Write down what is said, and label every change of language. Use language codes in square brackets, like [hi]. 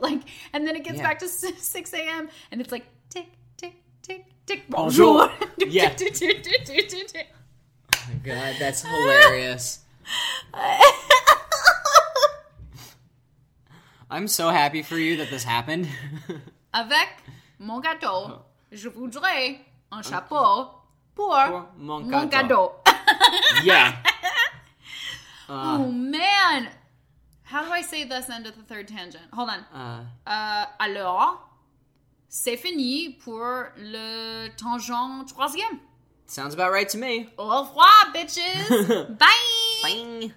[en] Like, and then it gets back to 6 a.m. and it's like, tick, tick, tick, tick. [fr] Bonjour. Bonjour. [en] Yeah. Oh my God, that's hilarious. I'm so happy for you that this happened. [fr] Avec mon gâteau, je voudrais un chapeau pour mon gâteau. [en] Yeah. Oh, man. How do I say this end of the third tangent? Hold on. [fr] Alors... C'est fini pour le tangent troisième. [en] Sounds about right to me. [fr] Au revoir, [en] bitches. Bye. Bye.